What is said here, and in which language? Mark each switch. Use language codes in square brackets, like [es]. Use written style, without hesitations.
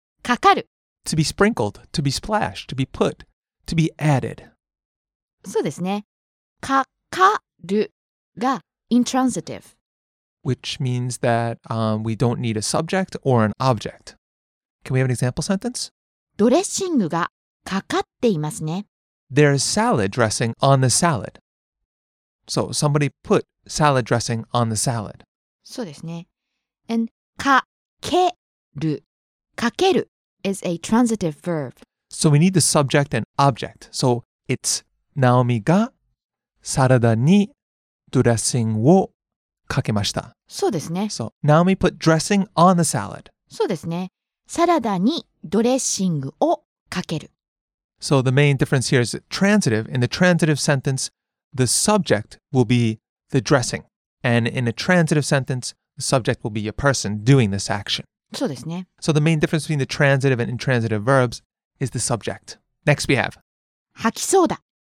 [ja] かかる. [en] To be sprinkled, to be splashed, to be put, to be added. [ja] そうですね。かかるが intransitive. [en] Which means that we don't need a subject or an object. Can we have an example sentence? [ja] ドレッシングがかかっていますね。 [en] There is salad dressing on the salad. So somebody put salad dressing on the salad. [ja] そうですね。And かける. [en] かける is a transitive verb. So we need the subject and object. So it's [ja] Naomi がサラダにドレッシングをかけました。そうですね。 [en] So Naomi put dressing on the salad. [ja] そうですね。サラダにドレッシングをかける。 [en] So the main difference here is transitive. In the transitive sentence, the subject will be the dressing. And in a transitive sentence, the subject will be a person doing this action. [ja] そうですね。 [en] So the main difference between the transitive and intransitive verbs is the subject. Next we have. [ja] 吐きそうだ。